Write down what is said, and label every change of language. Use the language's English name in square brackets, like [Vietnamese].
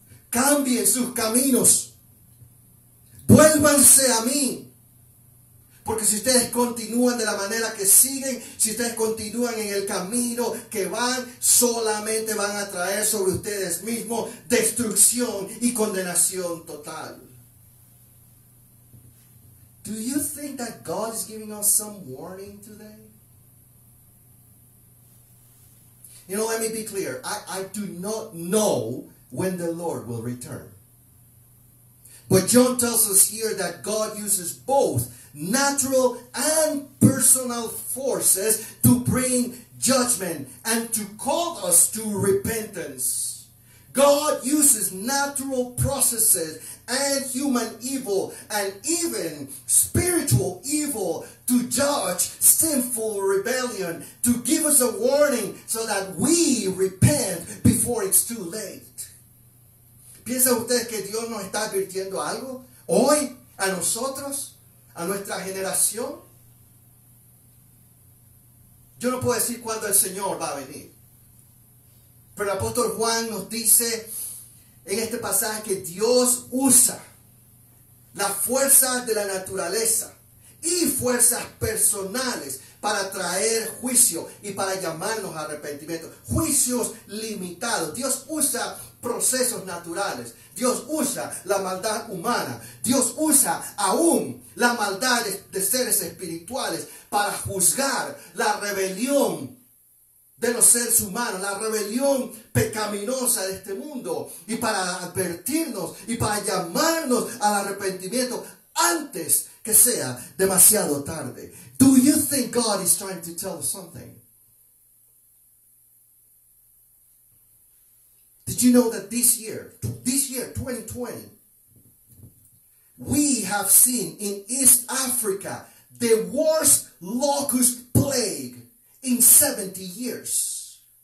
[Spanish] Cambien sus caminos, vuélvanse a mí. Porque si ustedes continúan de la manera que siguen, si ustedes continúan en el camino que van, solamente van a traer sobre ustedes mismos destrucción y condenación total. [English] Do you think that God is giving us some warning today? You know, let me be clear. I do not know when the Lord will return. But John tells us here that God uses both natural and personal forces to bring judgment and to call us to repentance. God uses natural processes and human evil and even spiritual evil to judge sinful rebellion, to give us a warning so that we repent before it's too late. [Spanish] ¿Piensa usted que Dios nos está advirtiendo algo hoy a nosotros? ¿A nuestra generación? Yo no puedo decir cuándo el Señor va a venir. Pero el apóstol Juan nos dice en este pasaje que Dios usa las fuerzas de la naturaleza y fuerzas personales para traer juicio y para llamarnos a arrepentimiento. Juicios limitados. Dios usa procesos naturales. Dios usa la maldad humana. Dios usa aún la maldad de seres espirituales para juzgar la rebelión de los seres humanos, la rebelión pecaminosa de este mundo, y para advertirnos y para llamarnos al arrepentimiento antes que sea demasiado tarde. [English] Do you think God is trying to tell us something? Did you know that this year, 2020, we have seen in East Africa the worst locust plague in 70 years?